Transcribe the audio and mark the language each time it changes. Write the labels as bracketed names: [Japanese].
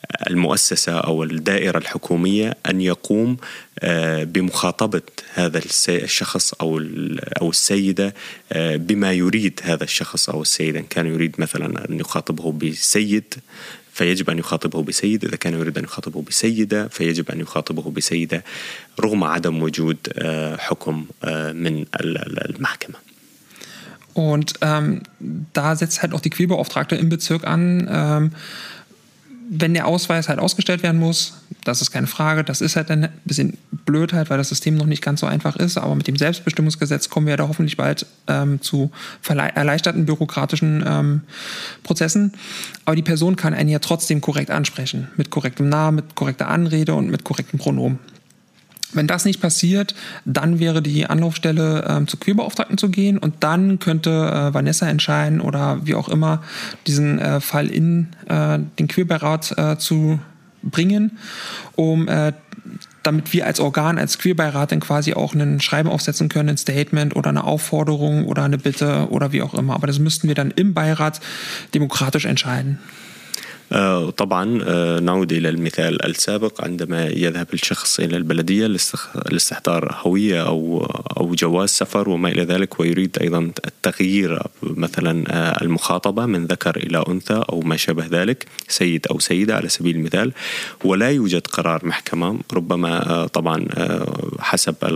[Arabic] المؤسسة أو الدائرة الحكومية أن يقوم بمخاطبة هذا الشخص أو السيدة بما يريد هذا الشخص أو السيدة إن كان يريد مثلا أن يخاطبه بسيد فيجب أن يخاطبه بسيد إذا كان يريد أن يخاطبه بسيدة فيجب أن يخاطبه بسيدة رغم عدم وجود حكم من المحكمة. [German] Und da setzt halt auch die Queerbeauftragte im Bezirk an, wenn der Ausweis halt ausgestellt werden muss, das ist keine Frage, das ist halt ein bisschen blöd halt, weil das System noch nicht ganz so einfach ist, aber mit dem Selbstbestimmungsgesetz kommen wir ja da hoffentlich bald zu erleichterten bürokratischen Prozessen. Aber die Person kann einen ja trotzdem korrekt ansprechen, mit korrektem Namen, mit korrekter Anrede und mit korrektem Pronomen. Wenn das nicht passiert, dann wäre die Anlaufstelle zu Queerbeauftragten zu gehen und dann könnte Vanessa entscheiden oder wie auch immer diesen Fall in den Queerbeirat zu bringen, um damit wir als Organ, als Queerbeirat dann quasi auch ein Schreiben aufsetzen können, ein Statement oder eine Aufforderung oder eine Bitte oder wie auch immer. Aber das müssten wir dann im Beirat demokratisch entscheiden. [Arabic] طبعا نعود إلى المثال السابق عندما يذهب الشخص إلى البلدية لاستحضار هوية أو جواز سفر وما إلى ذلك ويريد أيضا التغيير مثلا المخاطبة من ذكر إلى أنثى أو ما شابه ذلك سيد أو سيدة على سبيل المثال ولا يوجد قرار محكمة ربما طبعا حسب